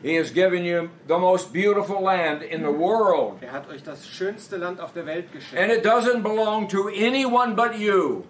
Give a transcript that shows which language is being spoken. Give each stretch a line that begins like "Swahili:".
English: He has given you the most beautiful land in the world.
German: Er hat euch das schönste Land auf der Welt geschenkt.
English: And it doesn't belong to anyone but you.